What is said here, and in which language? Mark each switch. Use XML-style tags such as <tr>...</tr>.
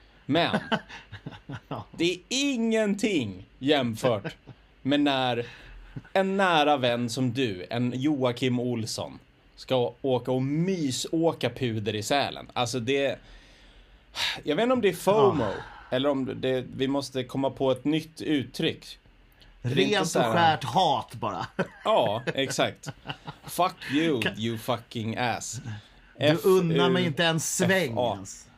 <sv>Men det är ingenting jämfört med när en nära vän som du, en Joakim Olsson, ska åka och mysåka puder i Sälen. Alltså det, jag vet inte om det är FOMO, ja, eller om det, vi måste komma på ett nytt uttryck. Rent och skärt hat bara. Ja, exakt.</sv> <en>Fuck you, you fucking ass.</en> <sv>Du unnar mig inte ens sväng ens.</sv>